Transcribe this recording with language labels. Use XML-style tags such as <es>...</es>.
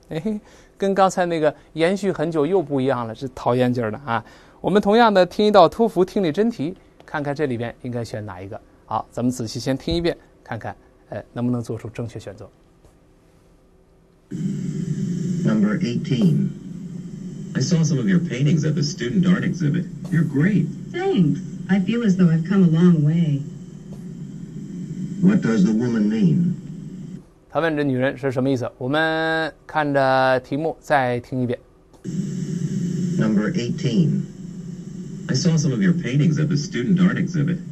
<zh>哎，跟刚才那个延续很久又不一样了，是讨厌劲儿的啊。我们同样的听一道托福听力真题，看看这里边应该选哪一个。好，咱们仔细先听一遍，看看能不能做出正确选择。</zh> <en>Number 18. I saw some of your paintings at the student art exhibit. You're great. Thanks. I feel as though I've come a long way. What does the woman mean?</en> <zh>他问这女人是什么意思？我们看着题目再听一遍。</zh> <en>Number 18. I saw some of your paintings at the student art exhibit.</en>